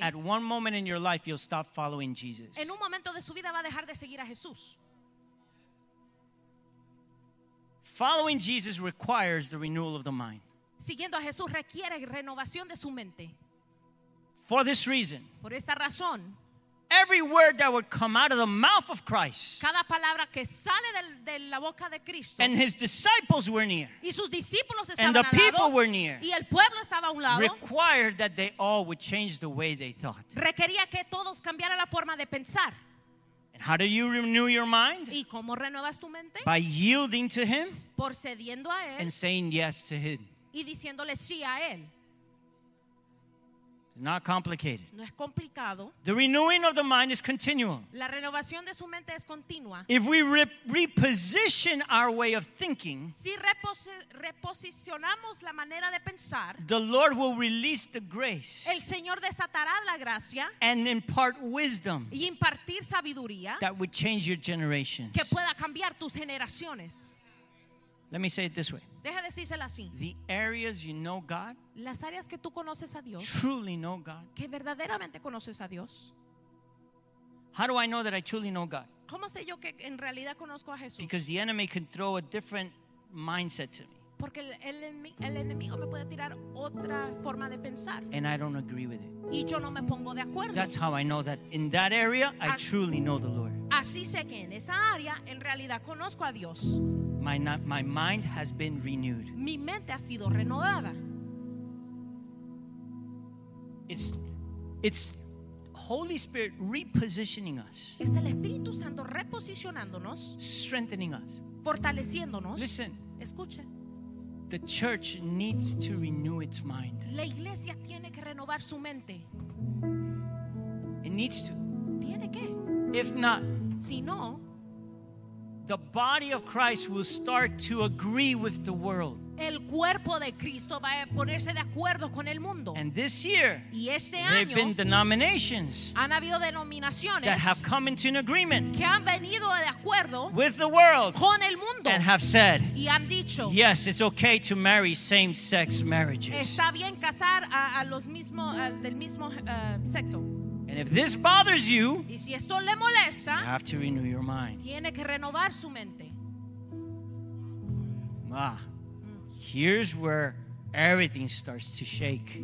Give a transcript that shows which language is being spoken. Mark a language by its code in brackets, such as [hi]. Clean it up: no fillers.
[en] at one moment in your life you'll stop following Jesus. [es] En un momento de su vida va a dejar de seguir a Jesús. [en] Following Jesus requires the renewal of the mind. [es] Siguiendo a Jesús requiere renovación de su mente. [en] For this reason, [es] por esta razón, [en] every word that would come out of the mouth of Christ, [es] cada palabra que sale de la boca de Cristo, [en] and his disciples were near, [es] y sus discípulos estaban [en] and the [es] al [en] people [es] lado, [en] were near, [es] y el pueblo estaba a un lado, [en] required that they all would change the way they thought. [es] Requería que todos cambiaran la forma de pensar. [en] And how do you renew your mind? [es] ¿Y cómo renuevas tu mente? [en] By yielding to him, [es] por cediendo a él, [en] and saying yes to him, [es] y diciéndole sí a él. [en] It's not complicated. [es] No es complicado. [en] The renewing of the mind is continual. [es] La renovación de su mente es continua. [en] If we reposition our way of thinking, [es] si reposicionamos la manera de pensar, [en] the Lord will release the grace. [es] El Señor desatará la gracia. [en] And impart wisdom. [es] Y impartir sabiduría. [en] That would change your generations. [es] Que pueda cambiar tus generaciones. [en] Let me say it this way. [es] Deja decírselo así. [en] The areas you know God, [es] las áreas que tú conoces a Dios, [en] truly know God, [es] que verdaderamente conoces a Dios. [en] How do I know that I truly know God? [es] ¿Cómo sé yo que en realidad conozco a Jesús? [en] Because the enemy can throw a different mindset to me. [es] Porque el enemigo me puede tirar otra forma de pensar. [en] And I don't agree with it. [es] Y yo no me pongo de acuerdo. [en] That's how I know that in that area I truly know the Lord. [es] Así sé que en esa área en realidad conozco a Dios. [en] My mind has been renewed. [es] Mi mente ha sido renovada. [en] It's Holy Spirit repositioning us. [es] Es el Espíritu Santo reposicionándonos. [en] Strengthening us. [es] Fortaleciéndonos. [en] Listen. [es] Escucha. [en] The church needs to renew its mind. [es] La iglesia tiene que renovar su mente. [en] It needs to. [es] Tiene que. [en] If not, [es] si no, [en] the body of Christ will start to agree with the world. [es] El cuerpo de Cristo va a ponerse de acuerdo con el mundo. [en] And this year, [es] y este año, [en] there have been denominations, [es] han habido denominaciones, [en] that have come into an agreement, [es] que han venido de acuerdo, [en] with the world, [es] con el mundo, [en] and have said, [es] y han dicho, [en] yes, it's okay to marry same-sex marriages. [es] Está bien casar a los mismos del mismo sexo. [en] And if this bothers you, [es] y si esto le molesta, [en] you have to renew your mind. [es] Tiene que renovar su mente. [en] Ah, here's where everything starts to shake.